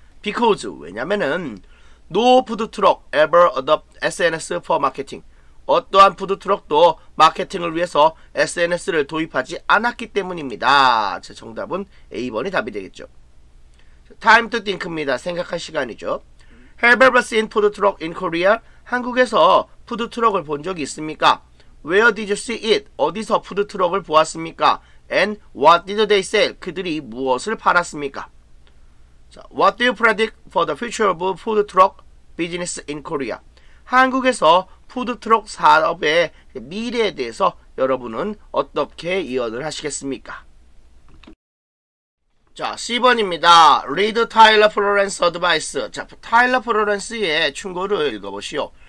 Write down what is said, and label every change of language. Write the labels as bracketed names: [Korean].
[English] because, [Korean] 왜냐면은, [English] no food truck ever adopt SNS for marketing. [Korean] 어떠한 푸드 트럭도 마케팅을 위해서 SNS를 도입하지 않았기 때문입니다. 자, 정답은 A번이 답이 되겠죠. [English] time to think [Korean] 입니다. 생각할 시간이죠. [English] Have you ever seen food truck in Korea? [Korean] 한국에서 푸드트럭을 본 적이 있습니까? [English] Where did you see it? [Korean] 어디서 푸드트럭을 보았습니까? [English] And what did they sell? [Korean] 그들이 무엇을 팔았습니까? [English] 자, what do you predict for the future of food truck business in Korea? [Korean] 한국에서 푸드트럭 산업의 미래에 대해서 여러분은 어떻게 예언을 하시겠습니까? 자, C번입니다. [English] Read Tyler Florence Advice. [Korean] 자, 타일러 플로렌스의 충고를 읽어보시오.